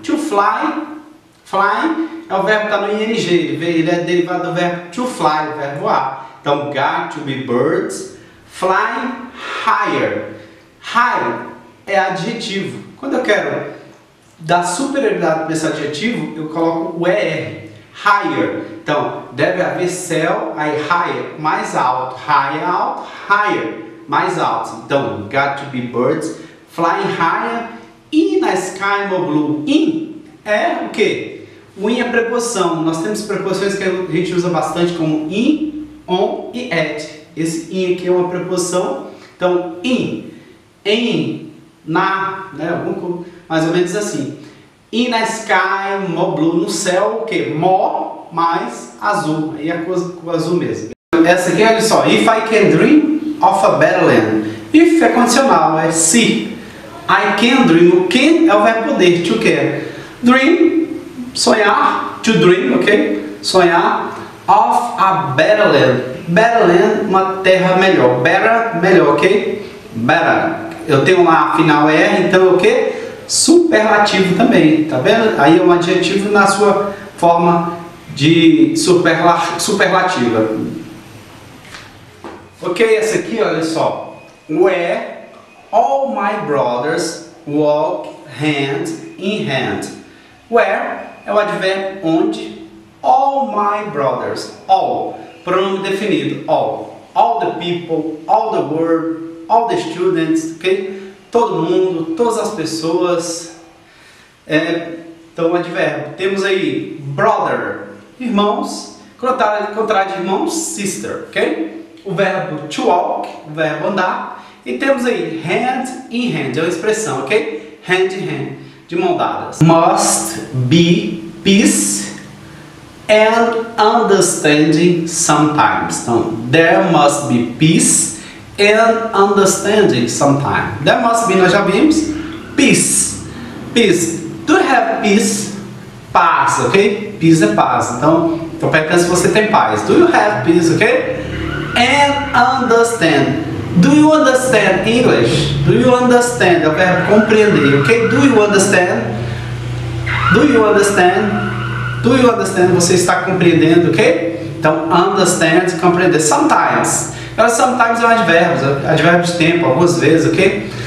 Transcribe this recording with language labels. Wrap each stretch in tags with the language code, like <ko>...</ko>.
<en>To fly, flying</en> <pt>é o verbo que está no ing. Ele é derivado do verbo to fly, o verbo voar. Então,</pt> <en>got to be birds fly higher.</en> <pt>High é adjetivo. Quando eu quero dar superioridade para esse adjetivo, eu coloco o er. Higher. Então, deve haver céu, aí higher, mais alto. High alto, higher, mais alto. Então,</pt> <en>got to be birds flying higher in a sky more blue.</en> <pt>In é o quê? O in é preposição. Nós temos preposições que a gente usa bastante, como in, on e at. Esse in aqui é uma preposição. Então, in, em, na, né? Mais ou menos assim.</pt> <en>In a sky, more blue.</en> <pt>No céu, o quê? More, mais azul. Aí a coisa com azul mesmo. Essa aqui, olha só.</pt> <en>If I can dream of a better land.</en> <pt>If é condicional, é se.</pt> <en>I can dream.</en> <pt>O can é o verbo poder. To care. Dream, sonhar. To dream, ok? Sonhar.</pt> <en>Of a better land.</en> <pt>Better land, uma terra melhor. Better, melhor, ok? Better. Eu tenho lá a final R, então é o quê? Superlativo também, tá vendo? Aí é um adjetivo na sua forma de superlativa. Ok, essa aqui, olha só.</pt> <en>Where all my brothers walk hand in hand.</en> <pt>Where é o advérbio onde.</pt> <en>All my brothers,</en> <pt>all, pronome definido, all.</pt> <en>All the people, all the world, all the students, ok?</en> <pt>Todo mundo, todas as pessoas. Então, advérbio. Temos aí, brother, irmãos. Contrário de irmãos, sister, ok? O verbo to walk, o verbo andar. E temos aí,</pt> <en>hand in hand,</en> <pt>é uma expressão, ok? Hand in hand, de mão dadas.</pt> <en>Must be peace and understanding sometimes.</en> <pt>Então,</pt> <en>there must be peace and understanding sometimes. There must be,</en> <pt>nós já vimos,</pt> <en>peace. Peace. To have peace, paz, ok? Peace é paz.</en> <pt>Então, estou perguntando se você tem paz.</pt> <en>Do you have peace, ok? And understand. Do you understand English? Do you understand?</en> <pt>É o verbo compreender,</pt> <en>ok? Do you understand? Do you understand? Do you understand?</en> <pt>Você está compreendendo, ok? Então, understand, compreender. Sometimes. Agora, sometimes é um advérbio. Advérbio de tempo, algumas vezes, ok?</pt>